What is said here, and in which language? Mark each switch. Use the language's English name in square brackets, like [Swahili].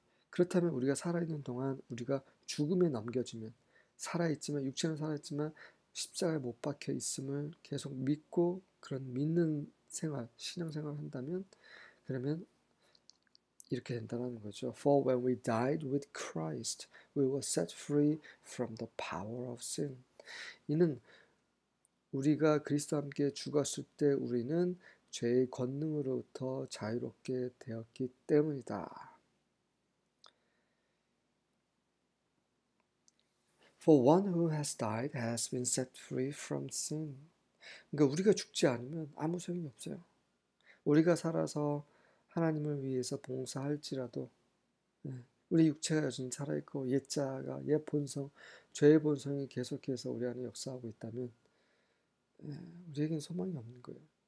[Korean] 그렇다면 우리가 살아있는 동안 우리가 죽음에 넘겨지면, 살아있지만, 육체는 살아있지만, 십자가에 못 박혀 있음을 계속 믿고, 그런 믿는 생활, 신앙생활을 한다면, 그러면 이렇게 된다는 거죠. [English] For when we died with Christ, we were set free from the power of sin. [Korean] 이는 우리가 그리스도와 함께 죽었을 때 우리는 죄의 권능으로부터 자유롭게 되었기 때문이다. [English] For one who has died has been set free from sin. [Korean] 그러니까 우리가 죽지 않으면 아무 소용이 없어요. 우리가 살아서 하나님을 위해서 봉사할지라도 우리 육체가 여전히 살아있고 옛 자아가 옛 본성, 죄의 본성이 계속해서 우리 안에 역사하고 있다면 우리에겐 소망이 없는 거예요.